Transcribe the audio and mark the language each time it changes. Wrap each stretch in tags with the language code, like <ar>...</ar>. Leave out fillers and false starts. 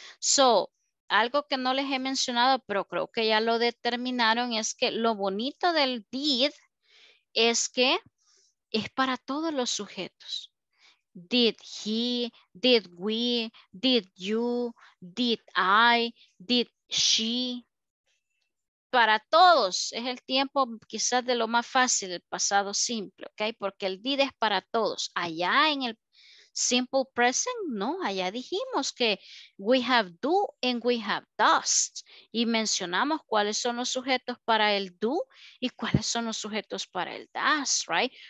<es>So, algo que no les he mencionado, pero creo que ya lo determinaron, es que lo bonito del did es que es para todos los sujetos.</es> <en>Did he, did we, did you, did I, did she.</en> <es>Para todos es el tiempo quizás de lo más fácil, el pasado simple, ¿ok? Porque el did es para todos. Allá en el simple present, no, allá dijimos que</es> <en>we have do and we have does.</en> <es>Y mencionamos cuáles son los sujetos para el do y cuáles son los sujetos para el does, right?</es>